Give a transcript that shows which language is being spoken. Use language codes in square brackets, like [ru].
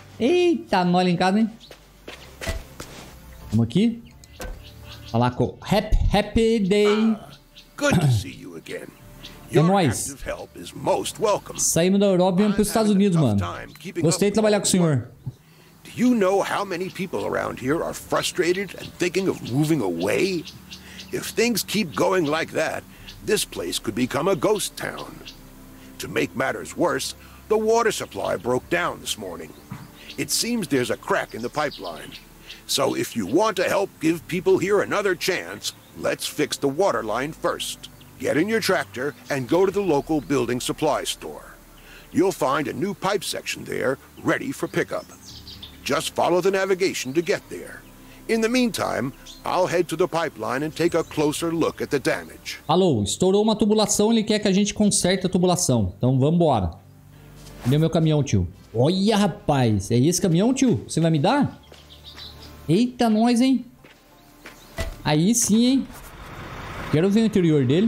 [pt] Eita, nó linkado, hein? Vamos aqui. Falar com Happy Day. [en] Good to see you again. [pt] É nóis. Saímos da Europa e vamos para os Estados Unidos, mano. Gostei de trabalhar com o senhor. [en] Do you know how many people around here are frustrated and thinking of moving away? If things keep going like that, this place could become a ghost town. To make matters worse, the water supply broke down this morning. It seems there's a crack in the pipeline. So if you want to help give people here another chance, let's fix the water line first. Get in your tractor and go to the local building supply store. You'll find a new pipe section there, ready for pickup. Just follow the navigation to get there. In the meantime, I'll head to the pipeline and take a closer look at the damage. [pt] Alô, estourou uma tubulação, ele quer que a gente conserte a tubulação. Então vamos embora. Cadê meu caminhão, tio? Olha, rapaz, é esse caminhão, tio? Você vai me dar? Eita, nós, hein? Aí sim, hein? Quero ver o interior dele.